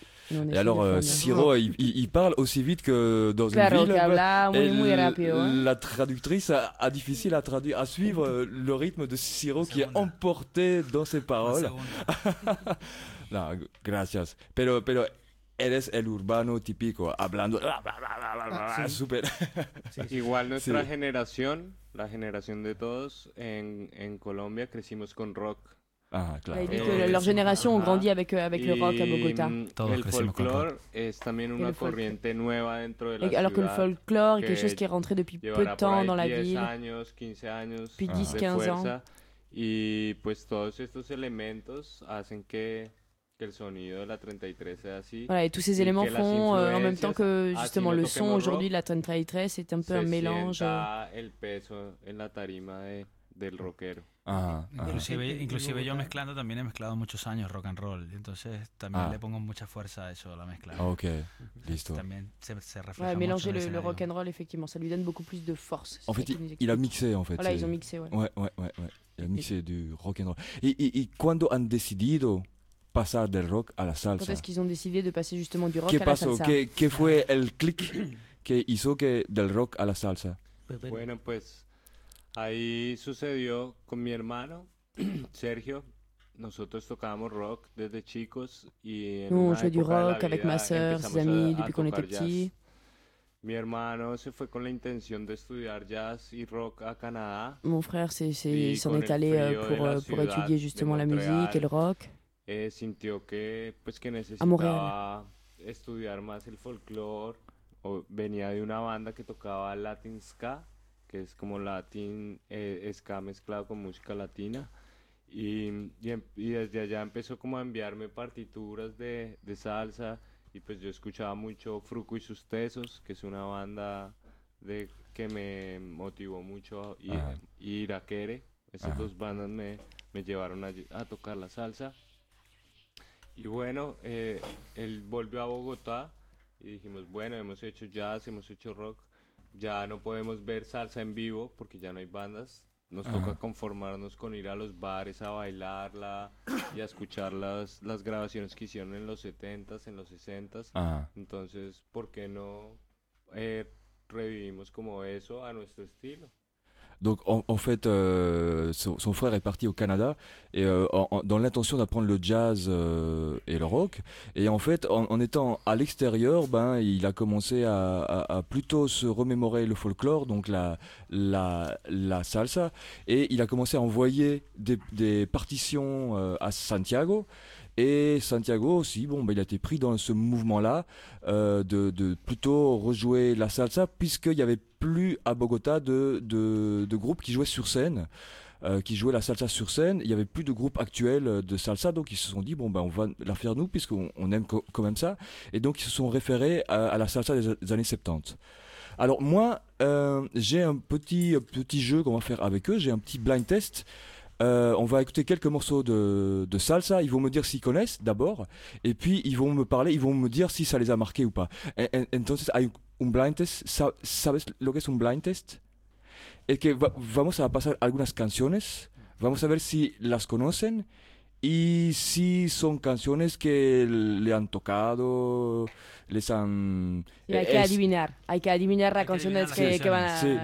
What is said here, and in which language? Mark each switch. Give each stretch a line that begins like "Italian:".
French: Et alors, Ciro, il parle aussi vite que dans une ville. La traductrice a difficile à suivre le rythme de Ciro qui est emporté dans ses paroles.
Spanish: No, gracias. Pero eres el urbano típico, hablando súper. Igual nuestra generación, la generación de todos en Colombia, crecimos con rock. Ah, claro.
French: Y que leur génération ont grandi avec le rock à Bogotá.
Spanish: El folclore es también una corriente nueva dentro de la ciudad.
French: Alors que le folclore est quelque chose qui est rentré depuis peu de temps dans la ville.
Spanish: 10 años, 15 años.
French: Puis 10-15 ans.
Spanish: Y pues todos estos elementos hacen que
French: le son de la 33 est ainsi. Voilà, et tous ces éléments font en même temps que justement le son aujourd'hui de la 33 est un peu un mélange.
Spanish: El peso en la tarima del rockero. Inclusive yo mezclando también he mezclado muchos años rock and roll, entonces también le pongo mucha fuerza a eso, a la mezcla. Ok, listo. También se refleja.
French: Ouais, mélanger le rock and roll, effectivement, ça lui donne beaucoup plus de force. En fait, il a mixé en fait. Voilà, ils ont mixé, ouais. Ouais. Il a mixé du rock and roll. Et quand ils ont décidé
Spanish: passar del rock a la salsa. Entonces, ¿qué han decidido de pasar justamente del rock a la salsa? ¿Qué pasó? ¿Qué fue el clic que hizo que del rock a la salsa? Bueno, pues ahí sucedió con mi hermano Sergio. Nosotros tocábamos rock desde chicos y
French: nous, on jouait du rock avec ma sœur, ses amis depuis qu'on était petit.
Spanish: Mi hermano se fue con la intención de estudiar jazz y rock a Canadá.
French: Mon frère s'en est allé pour étudier justement la musique et le rock.
Spanish: Sintió que pues que necesitaba estudiar más el folclore, o venía de una banda que tocaba Latin Ska, que es como Latin Ska mezclado con música latina, y desde allá empezó como a enviarme partituras de salsa, y pues yo escuchaba mucho Fruco y sus Tesos, que es una banda que me motivó mucho ir a Quere. Esas dos bandas me llevaron a tocar la salsa. Y bueno, él volvió a Bogotá y dijimos, bueno, hemos hecho jazz, hemos hecho rock, ya no podemos ver salsa en vivo porque ya no hay bandas, nos toca conformarnos con ir a los bares a bailarla y a escuchar las grabaciones que hicieron en los 70s, en los 60s, entonces, ¿por qué no revivimos como eso a nuestro estilo?
French: Donc en fait, son frère est parti au Canada et dans l'intention d'apprendre le jazz et le rock. Et en fait, en étant à l'extérieur, ben il a commencé à plutôt se remémorer le folklore, donc la salsa. Et il a commencé à envoyer des partitions à Santiago. Et Santiago aussi, bon, ben, il a été pris dans ce mouvement-là de plutôt rejouer la salsa, puisqu'il n'y avait plus à Bogota de groupe qui jouait sur scène, qui jouait la salsa sur scène. Il n'y avait plus de groupe actuel de salsa, donc ils se sont dit, bon, ben, on va la faire nous, puisqu'on aime quand même ça. Et donc ils se sont référés à la salsa des années 70. Alors moi, j'ai un petit jeu qu'on va faire avec eux, j'ai un petit blind test. On va écouter quelques morceaux de salsa. Ils vont me dire s'ils connaissent d'abord, et puis ils vont me parler, ils vont me dire si ça les a marqués ou pas.
Spanish: Entonces hay un blind test. ¿Sabes lo que es un blind test? Es que vamos a pasar algunas canciones, vamos a ver si las conocen, Y sí, son canciones que le han tocado, les han... Y hay que adivinar, hay que adivinar las canciones que van a pasar.